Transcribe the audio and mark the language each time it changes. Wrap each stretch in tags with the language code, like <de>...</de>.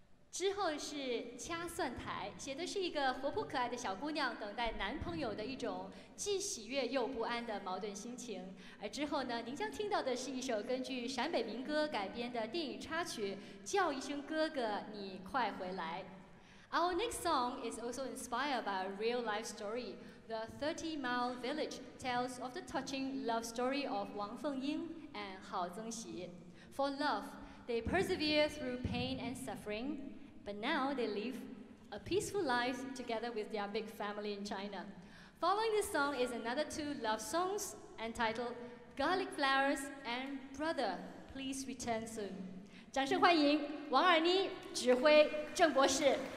<zh>之后是掐蒜台，写的是一个活泼可爱的小姑娘等待男朋友的一种既喜悦又不安的矛盾心情。而之后呢，您将听到的是一首根据陕北民歌改编的电影插曲《叫一声哥哥，你快回来》。</zh> <en>Our next song is also inspired by a real life story. The 30 Mile Village tells of the touching love story of Wang Feng Ying and Hao Zeng Xi. For love. They persevere through pain and suffering, but now they live a peaceful life together with their big family in China. Following this song is another two love songs entitled Garlic Flowers and Brother, Please Return Soon.</en> <zh>掌声欢迎王尔妮指挥郑博士。</zh>